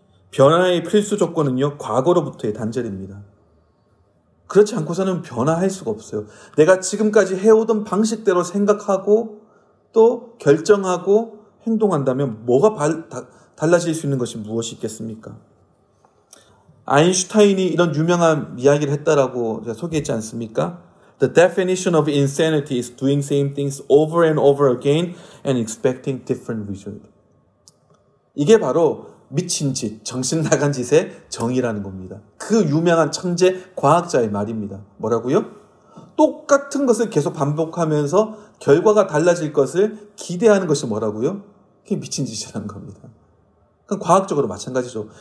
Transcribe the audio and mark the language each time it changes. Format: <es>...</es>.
<ko>변화의 필수 조건은요, 과거로부터의 단절입니다. 그렇지 않고서는 변화할 수가 없어요. 내가 지금까지 해오던 방식대로 생각하고 또 결정하고 행동한다면 뭐가 달라질 수 있는 것이 무엇이 있겠습니까? 아인슈타인이 이런 유명한 이야기를 했다라고 제가 소개했지 않습니까?</ko> <en>The definition of insanity is doing same things over and over again and expecting different results.</en> <ko>이게 바로 미친 짓, 정신 나간 짓의 정의라는 겁니다. 그 유명한 천재 과학자의 말입니다. 뭐라고요? 똑같은 것을 계속 반복하면서 결과가 달라질 것을 기대하는 것이 뭐라고요? 그게 미친 짓이라는 겁니다. 그럼 과학적으로 마찬가지죠.</ko>